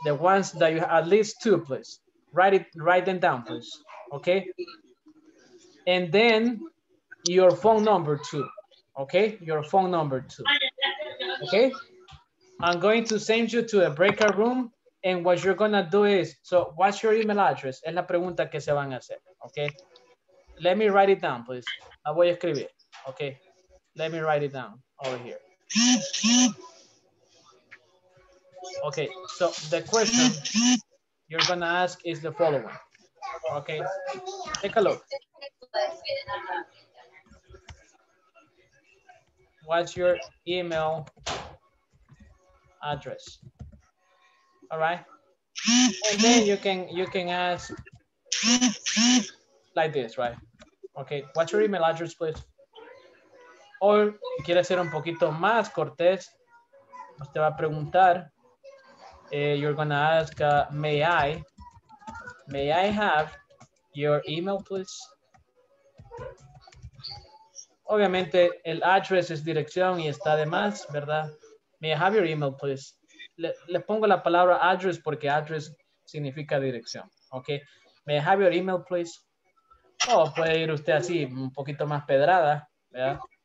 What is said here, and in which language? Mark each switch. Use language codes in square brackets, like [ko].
[en] The ones that you have, at least two, please. Write them down, please, okay? And then your phone number too, okay? Your phone number too, okay? I'm going to send you to a breakout room, and what you're gonna do is, so what's your email address? [es] Es la pregunta que se van a hacer, okay? [en] Let me write it down, please. [es] La voy a escribir, [en] okay? Let me write it down over here. Okay, so the question you're gonna ask is the following. Okay, take a look. What's your email address? All right. And then you can ask like this, right? Okay, what's your email address, please? [es] Or si quiere ser un poquito más cortés, usted va a preguntar. [en] You're gonna ask, may I have your email, please? [es] Obviamente, el address es dirección y está de más, ¿verdad? [en] May I have your email, please? [es] Le pongo la palabra address porque address significa dirección, okay? [en] May I have your email, please? [es] Oh, puede ir usted así, un poquito más pedrada, ¿verdad?